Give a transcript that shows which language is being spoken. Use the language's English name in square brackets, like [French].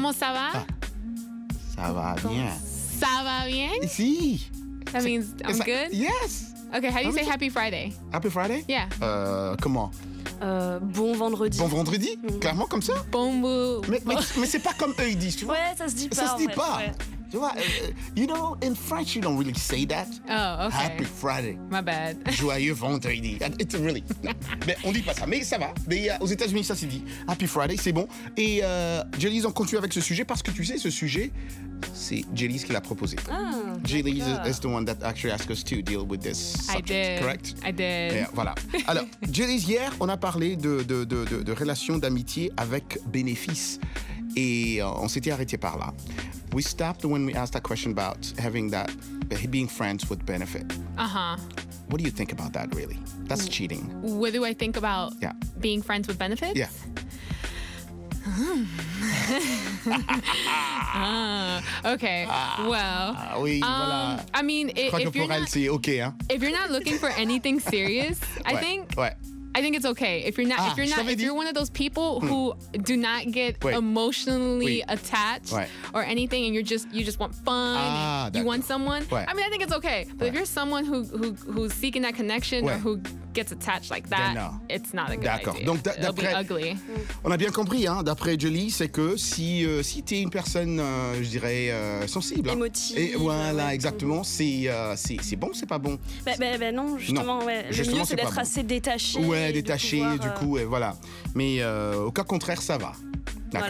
[French] Ça va bien. Ça va bien? Si. [English] That means I'm good? Yes. Okay, how do you say happy Friday? Happy Friday? Yeah. [French] Comment? Bon vendredi. Bon vendredi? Clairement comme ça? Mais c'est pas comme eux ils disent, tu vois? Ouais, ça se dit pas. Ça se dit fait, pas. Ouais. Tu vois, [English] you know, in French, you don't really say that. Oh, okay. Happy Friday. My bad. [French] Joyeux vendredi. [English] It's really. [French] Mais on dit pas ça, mais ça va. Mais aux États-Unis, ça s'est dit. [English] Happy Friday, [French] c'est bon. Et Jelly's, on continue avec ce sujet parce que tu sais, ce sujet, c'est Jelly's qui l'a proposé. Ah, [English] Jelly's is the one that actually asked us to deal with this subject, correct? I did. [French] Voilà. Alors, Jelly's, hier, on a parlé de relations d'amitié avec bénéfices. Et on s'était arrêté par là. [English] We stopped when we asked that question about having that, being friends with benefit. Uh-huh. What do you think about that, really? That's cheating. What do I think about being friends with benefits? Yeah. Okay. Well. [French] Oui, voilà. [English] I mean, if you're not, [French] c'est okay, hein? [English] If you're not looking for anything serious, I think it's okay. If you're one of those people who do not get emotionally attached or anything, and you just want fun, you want someone. [French] Ouais. [English] I mean, I think it's okay. But if you're someone who's seeking that connection or who gets attached like that, it's not a good idea. [French] Donc, [English] it'll be ugly. [French] On a bien compris, hein, d'après Jelly, c'est que si t'es une personne, je dirais, sensible. Émotive. Et voilà, exactement. C'est bon ou c'est pas bon? Justement, le mieux, c'est d'être assez détaché. Voilà. Mais au cas contraire, ça va. D'accord.